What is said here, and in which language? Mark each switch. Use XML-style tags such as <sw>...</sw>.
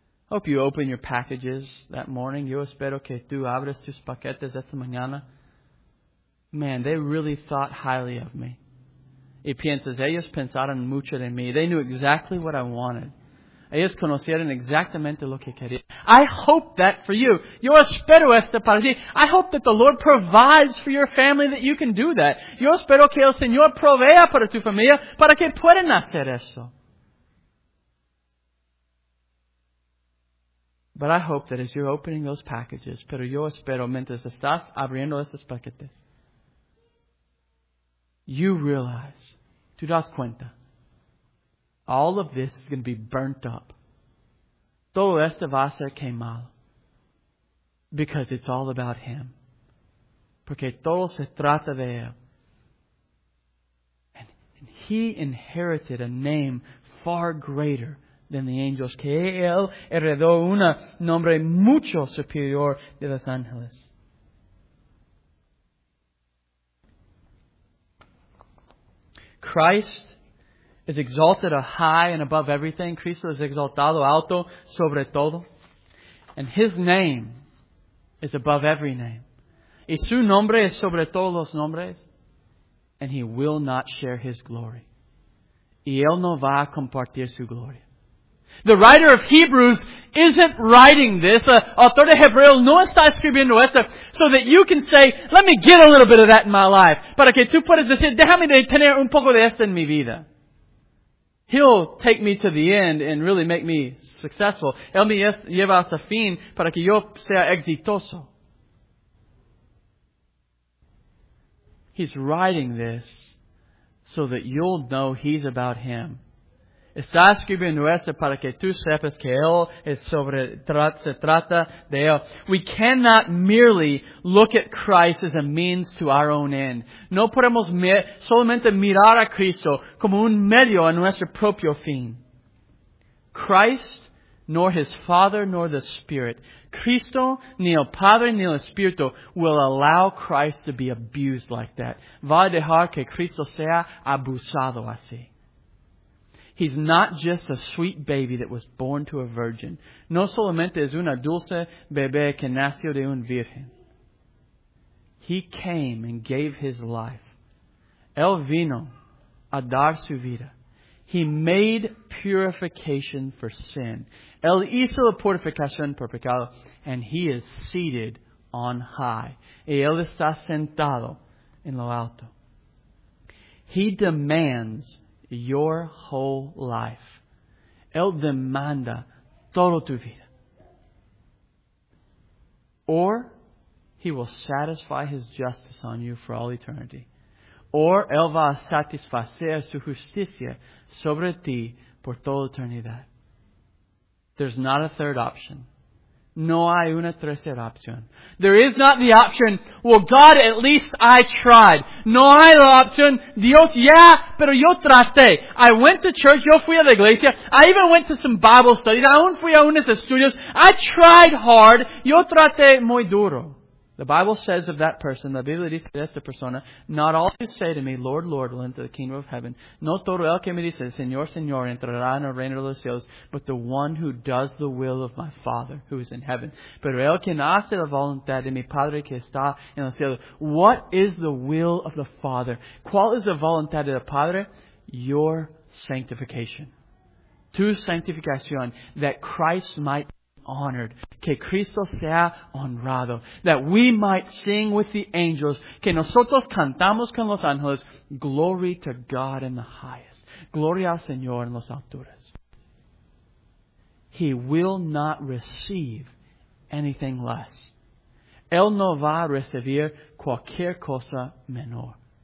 <en>Hope you open your packages that morning.</en> <es>Yo espero que tú abres tus paquetes esta mañana.</es> <en>Man, they really thought highly of me.</en> <es>Y piensas, ellos pensaron mucho de mí.</es> <en>They knew exactly what I wanted.</en> <es>Ellos conocieron exactamente lo que querían.</es> <en>I hope that for you.</en> <es>Yo espero esto para ti.</es> <en>I hope that the Lord provides for your family that you can do that.</en> <es>Yo espero que el Señor provea para tu familia para que puedan hacer eso.</es> <en>But I hope that as you're opening those packages,</en> <es>pero yo espero mientras estás abriendo esos paquetes,</es> <en>you realize,</en> <es>tú das cuenta,</es> <en>all of this is going to be burnt up.</en> <es>Todo esto va a ser quemado.</es> <en>Because it's all about Him.</en> <es>Porque todo se trata de Él.</es> <en>And He inherited a name far greater than the angels.</en> <es>Que Él heredó un nombre mucho superior de los ángeles.</es> <en>Christ is exalted high and above everything.</en> <es>Cristo es exaltado alto sobre todo.</es> <en>And His name is above every name.</en> <es>Y su nombre es sobre todos los nombres.</es> <en>And he will not share his glory.</en> <es>Y él no va a compartir su gloria.</es> <en>The writer of Hebrews isn't writing this.</en> <es>Autor de Hebreo no está escribiendo esto</es> <en>so that you can say, let me get a little bit of that in my life.</en> <es>Para que tú puedas decir, déjame de tener un poco de esto en mi vida.</es> <en>He'll take me to the end and really make me successful.</en> <es>Él me lleva hasta fin para que yo sea exitoso.</es> <en>He's writing this so that you'll know he's about him.</en> <es>Está escribiendo esto para que tú sepas que él es sobre, se trata de él.</es> <en>We cannot merely look at Christ as a means to our own end.</en> <es>No podemos solamente mirar a Cristo como un medio a nuestro propio fin.</es> <en>Christ, nor his Father, nor the Spirit.</en> <es>Cristo, ni el Padre, ni el Espíritu</es> <en>will allow Christ to be abused like that.</en> <es>Va a dejar que Cristo sea abusado así.</es> <en>He's not just a sweet baby that was born to a virgin.</en> <es>No solamente es una dulce bebé que nació de un virgen.</es> <en>He came and gave his life.</en> <es>Él vino a dar su vida.</es> <en>He made purification for sin.</en> <es>Él hizo la purificación por pecado.</es> <en>And he is seated on high.</en> <es>Y él está sentado en lo alto.</es> <en>He demands your whole life.</en> <es>Él demanda todo tu vida.</es> <en>Or he will satisfy his justice on you for all eternity.</en> <es>Or él va a satisfacer su justicia sobre ti por toda eternidad.</es> <en>There's not a third option.</en> <es>No hay una tercera opción.</es> <en>There is not the option, well, God, at least I tried.</en> <es>No hay la opción, Dios, yeah, pero yo traté.</es> <en>I went to church,</en> <es>yo fui a la iglesia.</es> <en>I even went to some Bible studies. I even</en> <es>fui a unos estudios.</es> <en>I tried hard.</en> <es>Yo traté muy duro.</es> <en>The Bible says of that person,</en> <es>la Biblia dice de esta persona,</es> <en>not all who say to me, Lord, Lord, will enter the kingdom of heaven.</en> <es>No todo el que me dice, Señor, Señor, entrará en el reino de los cielos,</es> <en>but the one who does the will of my Father who is in heaven.</en> <es>Pero el que hace la voluntad de mi Padre que está en los cielos.</es> <en>What is the will of the Father?</en> <es>¿Cuál es la voluntad del Padre?</es> <en>Your sanctification.</en> <es>Tu santificación,</es> <en>that Christ might honored,</en> <es>que Cristo sea honrado,</es> <en>that we might sing with the angels,</en> <es>que nosotros cantamos con los ángeles,</es> <en>glory to God in the highest,</en> <es>gloria al Señor en las alturas.</es> <en>He will not receive anything less.</en> <es>Él no va a recibir cualquier cosa menor.</es>